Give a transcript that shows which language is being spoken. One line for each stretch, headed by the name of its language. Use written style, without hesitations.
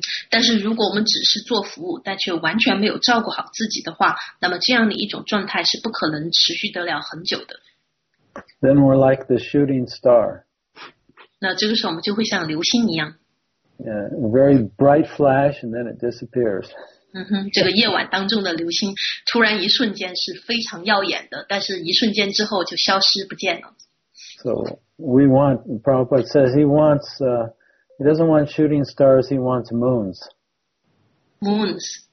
Chinese: 但是如果我们只是做服务，但却完全没有照顾好自己的话，那么这样的一种状态是不可能持续得了很久的。
English: Then we're like the shooting star.
Chinese: 那这个时候我们就会像流星一样。
English: Yeah, a very bright flash and then it disappears.
Chinese: 这个夜晚当中的流星突然一瞬间是非常耀眼的，但是一瞬间之后就消失不见了。
English: So we want, Prabhupada says he wants, he doesn't want shooting stars, he wants moons. Moons.